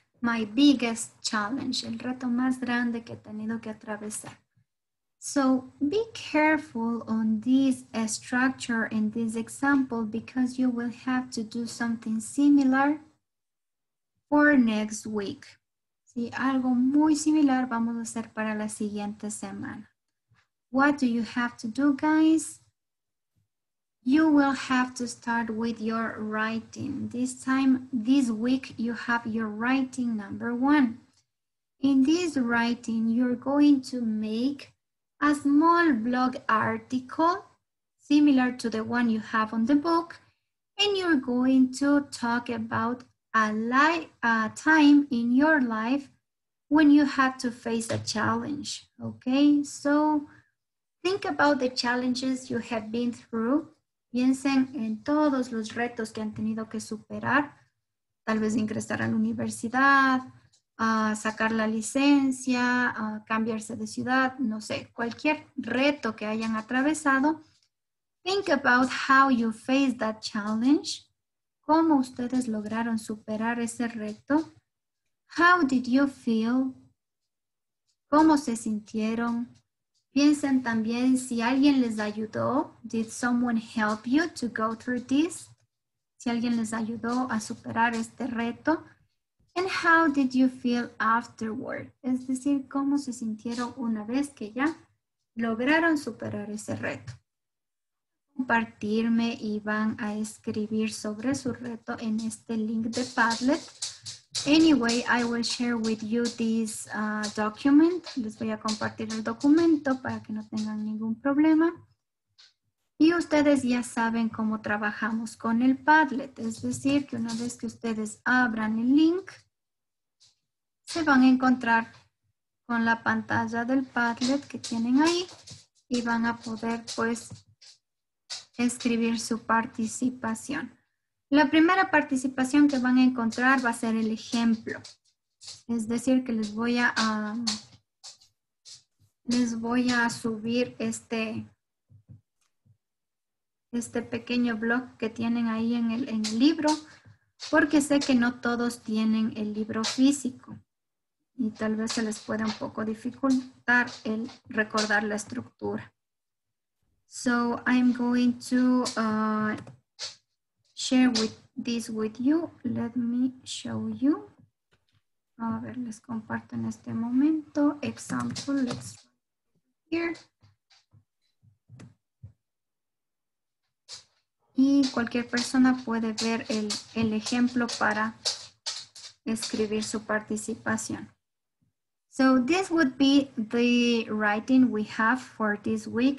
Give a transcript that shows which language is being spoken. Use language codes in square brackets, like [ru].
[en] My biggest challenge, [es] el reto más grande que he tenido que atravesar. [en] So be careful on this structure in this example because you will have to do something similar for next week. [es] Sí, algo muy similar vamos a hacer para la siguiente semana. [en] What do you have to do, guys? You will have to start with your writing. This time, this week, you have your writing number one. In this writing, you're going to make a small blog article similar to the one you have on the book, and you're going to talk about a time in your life when you had to face a challenge, okay? So think about the challenges you have been through. [es] Piensen en todos los retos que han tenido que superar, tal vez ingresar a la universidad, sacar la licencia, cambiarse de ciudad, no sé, cualquier reto que hayan atravesado. [en] Think about how you faced that challenge. [es] ¿Cómo ustedes lograron superar ese reto? [en] How did you feel? [es] ¿Cómo se sintieron? Piensen también si alguien les ayudó. [en] Did someone help you to go through this? [es] Si alguien les ayudó a superar este reto. [en] And how did you feel afterward? [es] Es decir, ¿cómo se sintieron una vez que ya lograron superar ese reto? Compartirme y van a escribir sobre su reto en este link de Padlet. [en] Anyway, I will share with you this document. [es] Les voy a compartir el documento para que no tengan ningún problema. Y ustedes ya saben cómo trabajamos con el Padlet. Es decir, que una vez que ustedes abran el link, se van a encontrar con la pantalla del Padlet que tienen ahí y van a poder, pues, escribir su participación. La primera participación que van a encontrar va a ser el ejemplo. Es decir, que les voy a subir este pequeño blog que tienen ahí en el libro, porque sé que no todos tienen el libro físico y tal vez se les pueda un poco dificultar el recordar la estructura. [en] So I'm going to share this with you. Let me show you. [es] A ver, les comparto en este momento. [en] Example, let's here. [es] Y cualquier persona puede ver el ejemplo para escribir su participación. [en] So this would be the writing we have for this week.